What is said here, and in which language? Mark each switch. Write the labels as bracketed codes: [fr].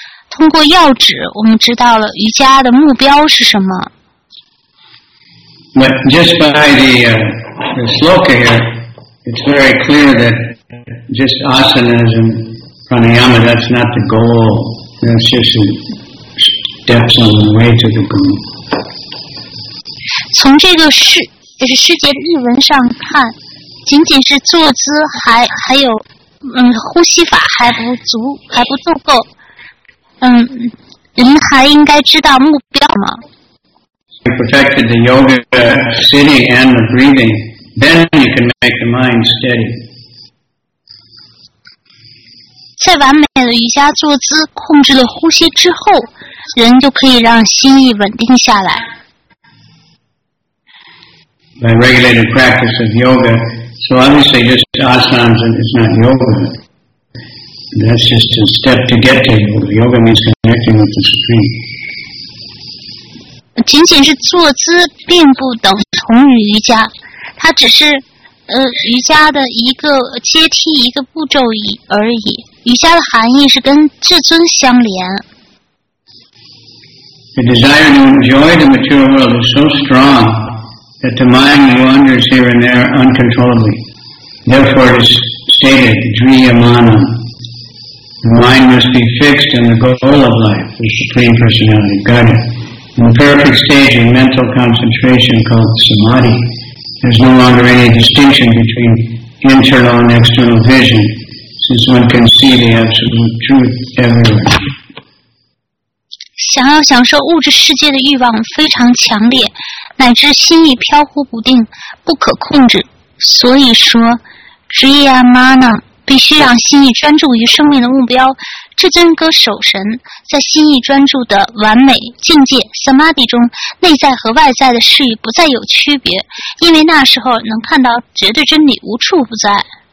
[zh] 通过要旨，我们知道了瑜伽的目标是什么。 [en] But just by the sloka here, it's very clear that just asanas and pranayama, that's not the goal. That's just steps on the way to the goal. [zh] 从这个师节的译文上看，仅仅是坐姿还有呼吸法还不足够。您还应该知道目标吗？ [en] You perfected the yoga sitting and the breathing, then you can make the mind steady. [zh] 在完美的瑜伽坐姿控制了呼吸之后，人就可以让心意稳定下来。 [en] By regulated practice of yoga, so obviously just asanas is not yoga. That's just a step to get to yoga. Yoga means connecting with the Supreme. [zh] 仅仅是坐姿并不等同于瑜伽，它只是瑜伽的一个阶梯，一个步骤而已。瑜伽的含义是跟至尊相连。 [en] The desire to enjoy the material world is so strong that the mind wanders here and there uncontrollably. Therefore, it is stated, "Driyamana." The mind must be fixed on the goal of life, the Supreme Personality, Godhead. In the perfect stage of mental concentration called samadhi, there is no longer any distinction between internal and external vision, since one can see the absolute truth everywhere. [zh] 想要享受物质世界的欲望非常强烈，乃至心意飘忽不定，不可控制。所以说 ，Driyamana 必须让心意专注于生命的目标。至尊歌手神在心意专注的完美境界 Samadhi 中，内在和外在的事物不再有区别，因为那时候能看到绝对真理无处不在。